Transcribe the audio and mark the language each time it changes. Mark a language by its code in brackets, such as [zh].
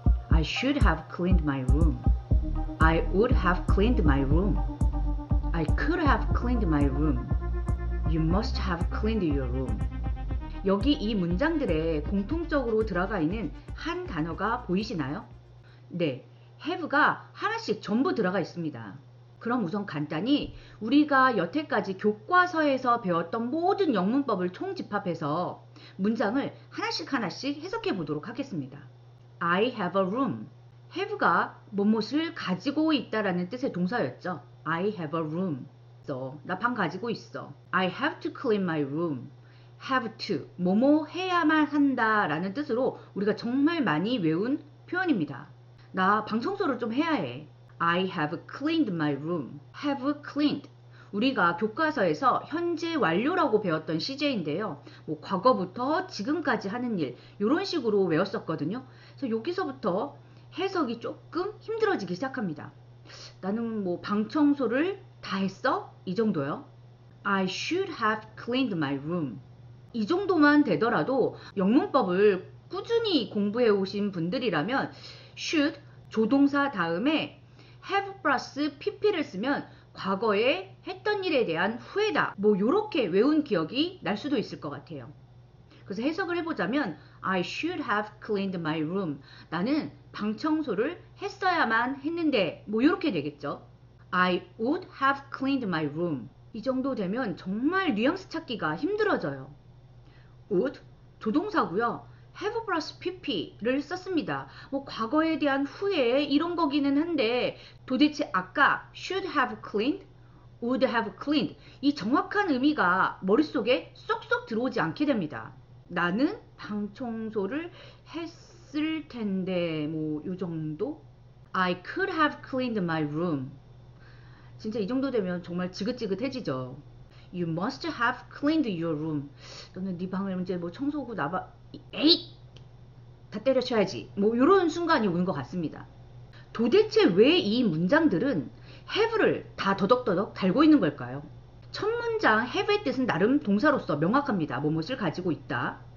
[en] I should have cleaned my room. I would have cleaned my room. I could have cleaned my room. You must have cleaned your room. [ko] 여기 이 문장들에 공통적으로 들어가 있는 한 단어가 보이시나요? 네. have가 하나씩 전부 들어가 있습니다. 그럼 우선 간단히 우리가 여태까지 교과서에서 배웠던 모든 영문법을 총집합해서 문장을 하나씩 하나씩 해석해 보도록 하겠습니다. [en] I have a room. [ko] have가 무엇을 가지고 있다라는 뜻의 동사였죠. [en] I have a room. [ko] 나 방 가지고 있어. [en] I have to clean my room. have to. [ko] 뭐뭐 해야만 한다 라는 뜻으로 우리가 정말 많이 외운 표현입니다. 나 방 청소를 좀 해야 해. [en] I have cleaned my room. have cleaned. [ko] 우리가 교과서에서 현재 완료라고 배웠던 시제인데요. 뭐 과거부터 지금까지 하는 일 이런 식으로 외웠었거든요. 그래서 여기서부터 해석이 조금 힘들어지기 시작합니다. 나는 뭐 방 청소를 다 했어? 이 정도요. [en] I should have cleaned my room. [ko] 이 정도만 되더라도 영문법을 꾸준히 공부해 오신 분들이라면 should 조동사 다음에 have plus pp를 쓰면 과거에 했던 일에 대한 후회다. 뭐 이렇게 외운 기억이 날 수도 있을 것 같아요. 그래서 해석을 해보자면 [en] I should have cleaned my room. [ko] 나는 방 청소를 했어야만 했는데 뭐 이렇게 되겠죠. [en] I would have cleaned my room. [ko] 이 정도 되면 정말 뉘앙스 찾기가 힘들어져요. would 조동사고요. have plus pp를 썼습니다. 뭐 과거에 대한 후회 이런 거기는 한데 도대체 아까 [en] should have cleaned, would have cleaned [ko] 이 정확한 의미가 머릿속에 쏙쏙 들어오지 않게 됩니다. 나는 방 청소를 했을 텐데 뭐 요 정도? [en] I could have cleaned my room. [ko] 진짜 이 정도 되면 정말 지긋지긋해지죠. [en] You must have cleaned your room. [ko] 너는 네 방을 이제 뭐 청소하고 나봐. 에잇! 다 때려쳐야지. 뭐 이런 순간이 오는 것 같습니다. 도대체 왜 이 문장들은 have를 다 더덕더덕 달고 있는 걸까요? 첫 문장 have의 뜻은 나름 동사로서 명확합니다. 무엇을 가지고 있다.